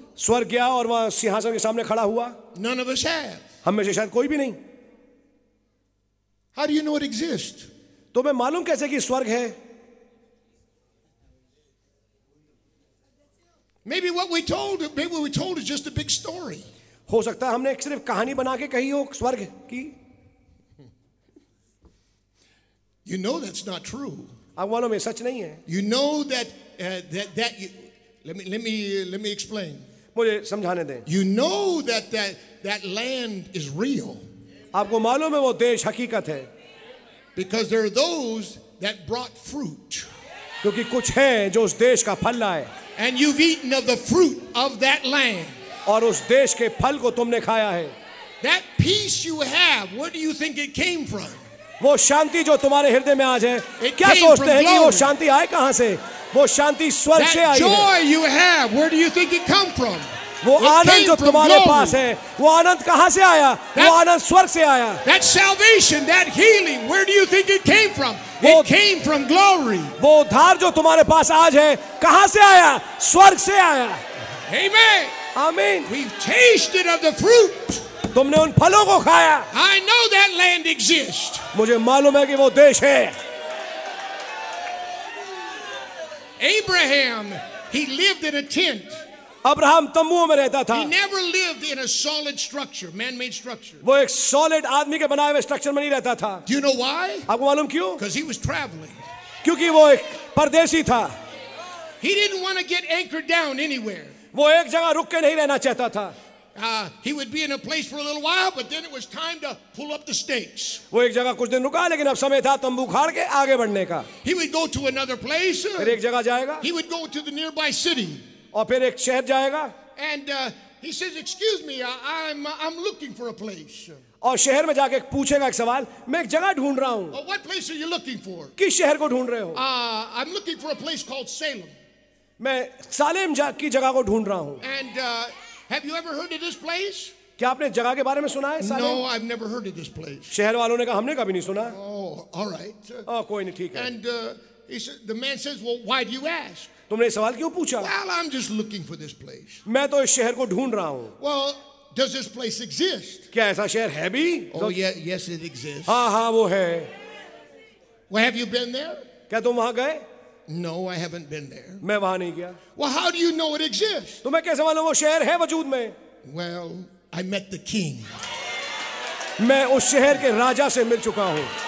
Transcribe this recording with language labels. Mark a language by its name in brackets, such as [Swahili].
[Hindi] स्वर्ग गया और वह सिंहासन के सामने खड़ा हुआ? [English] None of us have. [Hindi] हम में से शायद कोई भी नहीं. [English] How do you know it exists? [Hindi] तो मैं मालूम कैसे कि स्वर्ग है? [English] Maybe what we told, maybe what we told is just a big story. [Hindi] हो सकता है हमने एक सिर्फ कहानी बना के कही हो स्वर्ग की. [English] You know that's not true. [Hindi] आप मालूम है सच नहीं है. [English] You know that you, let me explain. [Hindi] मुझे समझाने दें. [English] You know that land is real. [Hindi] आपको मालूम है वो देश हकीकत है. [English] Because there are those that brought fruit. [Hindi] क्योंकि कुछ हैं जो उस देश का फल लाए. [English] And you've eaten of the fruit of that land. [Hindi] और उस देश के फल को तुमने खाया है. [English] That peace you have, where do you think it came from? [Hindi] वो शांति जो तुम्हारे हृदय में आज है, क्या सोचते हैं कि वो शांति आए कहाँ से? वो शांति स्वर्ग से आई है. [English] That joy you have, where do you think it come from? [Hindi] वो आनंद जो तुम्हारे पास है, वो आनंद कहाँ से आया? वो आनंद स्वर्ग से आया. [English] That salvation, that healing, where do you think it came from? It came from glory. [Hindi] वो उद्धार जो तुम्हारे पास आज है, कहाँ से आया? स्वर्ग से आया. [English] Amen. Amen. We've tasted of the fruit. [Hindi] तुमने उन फलों को खाया. [English] I know that land exists. [Hindi] मुझे मालूम है कि वो देश है. [English] Abraham, he lived in a tent. [Hindi] Abraham तम्बुओं में रहता था. [English] He never lived in a solid structure, man-made structure. [Hindi] वो एक सॉलिड आदमी के बनाए हुए स्ट्रक्चर में नहीं रहता था. [English] Do you know why? [Hindi] आपको मालूम क्यों? [English] Because he was traveling. [Hindi] क्योंकि वो एक परदेशी था. [English] He didn't want to get anchored down anywhere. [Hindi] वो एक जगह रुक के नहीं रहना चाहता था. [English] He would be in a place for a little while, but then it was time to pull up the stakes. [Hindi] वो एक जगह कुछ दिन रुका, लेकिन अब समय था तंबू खाड़ के आगे बढ़ने का. [English] He would go to another place. [Hindi] फिर एक जगह जाएगा. [English] He would go to the nearby city. [Hindi] और फिर एक शहर जाएगा. [English] And he says, "Excuse me, I'm looking for a place." [Hindi] और शहर में जाके पूछेगा एक सवाल, मैं एक जगह ढूंढ रहा हूँ. [English] What place are you looking for? [Hindi] किस शहर को ढूंढ रहे हो? [English] I'm looking for a place called Salem. [Hindi] मैं सालेम की जगह को ढूंढ रहा हूँ. [English] And have you ever heard of this place? [Hindi] क्या आपने जगह के बारे में सुना है Salem? [English] No, I've never heard of this place. [Hindi] शहर वालों ने कहा, हमने कभी नहीं सुना. [English] Oh, all right. [Hindi] ओह, कोई नहीं, ठीक है. [English] And the man says, "Well, why do you ask?" [Hindi] तुमने सवाल क्यों पूछा? [English] Well, I'm just looking for this place. [Hindi] मैं तो इस शहर को ढूंढ रहा हूँ. [English] Well, does this place exist? [Hindi] क्या ऐसा शहर है भी? [English] Oh, yes, it exists. [Hindi] हाँ हाँ, वो है. [English] Well, have you been there? [Hindi] क्या तुम वहाँ गए? [English] No, I haven't been there. [Hindi] मैं वहाँ नहीं गया. [English] Well, how do you know it exists? [Hindi] तुम्हें कैसे मालूम वो शहर है वजूद में? [English] Well, I met the king. [Hindi] मैं उस शहर के राजा से मिल चुका हूँ.